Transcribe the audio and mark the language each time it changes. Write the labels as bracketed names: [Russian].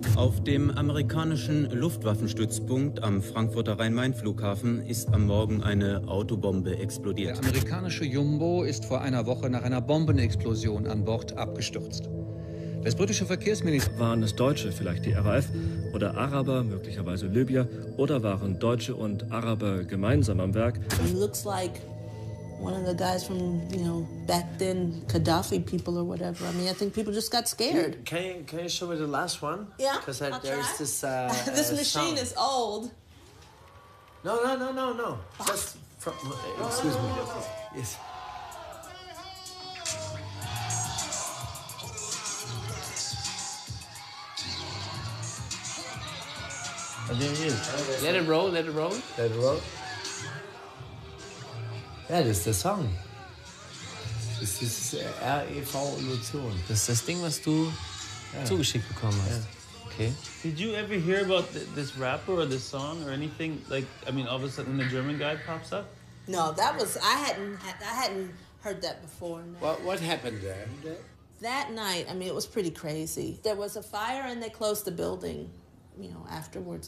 [German] Auf dem amerikanischen Luftwaffenstützpunkt am Frankfurter Rhein-Main-Flughafen ist am Morgen eine Autobombe explodiert. Der amerikanische Jumbo ist vor einer Woche nach einer Bombenexplosion an Bord abgestürzt. Das britische Verkehrsministerium... Waren es Deutsche, vielleicht die RAF, oder Araber, möglicherweise Libyer, oder waren Deutsche und Araber gemeinsam am Werk? [English] It looks like one of the guys from, you know, back then, Gaddafi people or whatever. I mean, I think people just got scared. Can you show me the last one? Yeah, because there's this this machine is old. No. That's from... Excuse me. Yes. Let it roll. Yeah, that is the song. This is REV-Illusion. [German] Das ist das Ding, was du zugeschickt bekommen hast. Okay. [English] Did you ever hear about this rapper or this song or anything? Like, I mean, all of a sudden a German guy pops up? No, that was, I hadn't heard that before. No. What happened there? That night, I mean, it was pretty crazy. There was a fire and they closed the building. You know, afterwards.